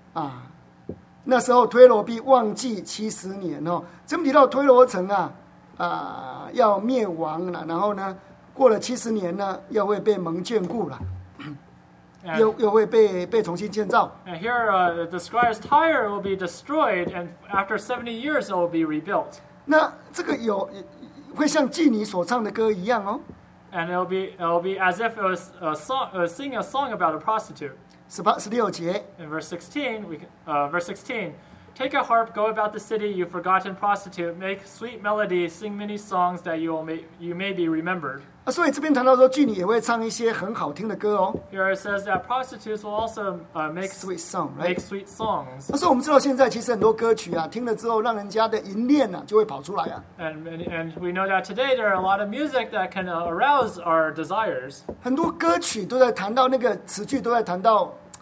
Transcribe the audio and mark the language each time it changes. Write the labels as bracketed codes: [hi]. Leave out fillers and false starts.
[zh] 啊。那时候推罗必忘记七十年哦，这么提到推罗城啊，要灭亡了，然后呢，过了七十年呢，又会被蒙眷顾了，又会被重新建造。 [en] And here it describes Tyre will be destroyed, and after 70 years it will be rebuilt. [zh] 那这个有会像妓女所唱的歌一样哦。 [en] And it'll be as if it was a song, singing a song about a prostitute. [zh] 16节 [en] In verse 16, take a harp, go about the city, you forgotten prostitute, make sweet melody, sing many songs that you may be remembered. [zh] 所以这边谈到说，妓女也会唱一些很好听的歌哦。 [en] Here it says that prostitutes will also make sweet song, right? Make sweet songs. [zh] 所以我们知道现在其实很多歌曲啊，听了之后让人家的淫念呢就会跑出来啊。 [en] And we know that today there are a lot of music that can arouse our desires. [zh] 很多歌曲都在谈到那个词句都在谈到。